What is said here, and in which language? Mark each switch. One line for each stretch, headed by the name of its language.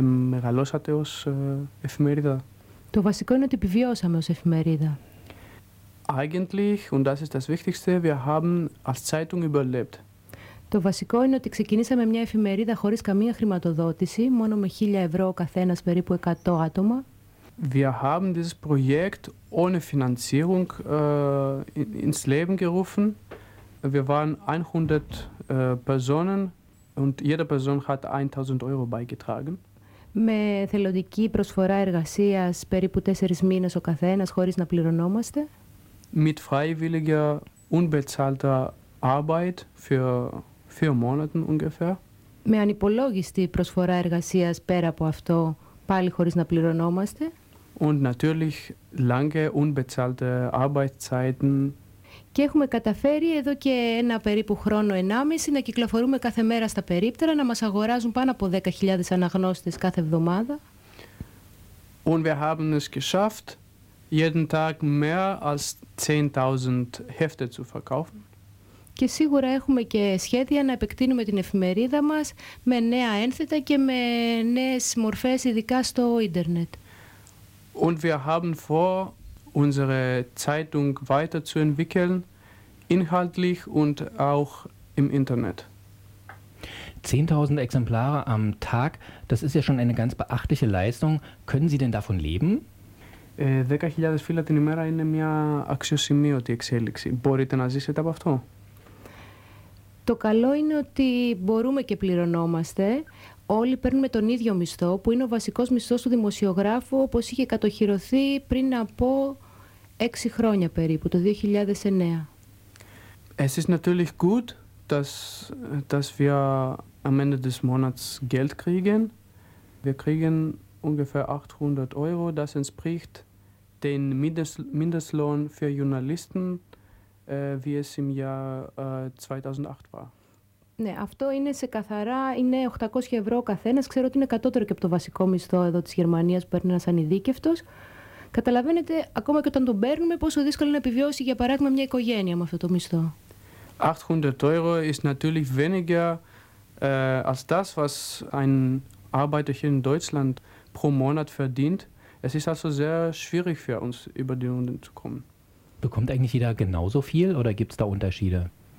Greek: Μεγαλώσατε ως εφημερίδα? Το βασικό είναι ότι επιβιώσαμε ως εφημερίδα.
German: Eigentlich, und das ist das Wichtigste, wir haben als Zeitung überlebt.
Greek: Το βασικό είναι ότι ξεκινήσαμε μια εφημερίδα χωρίς καμία χρηματοδότηση, μόνο με 1.000 ευρώ ο καθένας, περίπου 100 άτομα.
German: Wir haben dieses Projekt ohne Finanzierung ins Leben gerufen. Wir waren 100 Personen und jede Person hat 1.000 Euro beigetragen.
Greek: Με θελοντική προσφορά εργασίας περίπου 4 μήνες ο καθένας χωρίς να πληρωνόμαστε.
German: Mit freiwilliger unbezahlter Arbeit für 4 Monate ungefähr.
Greek: Με ανυπολόγιστη προσφορά εργασίας πέρα από αυτό πάλι χωρίς να πληρωνόμαστε.
German: Und natürlich lange unbezahlte Arbeitszeiten.
Greek: Και έχουμε καταφέρει εδώ και ένα περίπου χρόνο, 1,5, να κυκλοφορούμε κάθε μέρα στα περίπτερα, να μας αγοράζουν πάνω από 10.000 αναγνώστες κάθε εβδομάδα.
German: Und wir haben es geschafft, jeden Tag mehr als 10.000 Hefte zu verkaufen.
Greek: Και σίγουρα έχουμε και σχέδια να επεκτείνουμε την εφημερίδα μας με νέα ένθετα και με νέες μορφές, ειδικά στο ίντερνετ.
German: Und wir haben vor, unsere Zeitung weiterzuentwickeln, inhaltlich und auch im Internet. 10.000 Exemplare am Tag, das ist ja schon eine ganz beachtliche Leistung. Können Sie denn davon leben?
Greek: 10.000 Fehler την ημέρα είναι μια αξιοσημείωτη εξέλιξη. Μπορείτε να ζήσετε από αυτό? Το καλό είναι ότι μπορούμε και πληρωνόμαστε. Όλοι παίρνουμε τον ίδιο μισθό, που είναι ο βασικός μισθός του δημοσιογράφου, όπως είχε κατοχυρωθεί πριν από 6 χρόνια περίπου, το 2009.
German: Es ist natürlich gut, dass wir am Ende des Monats Geld kriegen. Wir kriegen ungefähr 800 Euro, das entspricht den Mindestlohn für Journalisten, wie es im Jahr 2008 war.
Greek: Ναι, αυτό είναι σε καθαρά, είναι 800 ευρώ ο καθένας. Ξέρω ότι είναι κατώτερο και από το βασικό μισθό εδώ της Γερμανίας που παίρνει ένας ανειδίκευτος. Καταλαβαίνετε, ακόμα και όταν τον παίρνουμε, πόσο δύσκολο είναι να επιβιώσει, για παράδειγμα, μια οικογένεια με αυτό το μισθό. 800 ευρώ είναι
German: natürlich weniger als das, was ein Arbeiter hier in Deutschland pro Monat verdient. Es ist also sehr schwierig für uns, über die Runden zu kommen. Bekommt eigentlich jeder genauso viel oder gibt es da Unterschiede?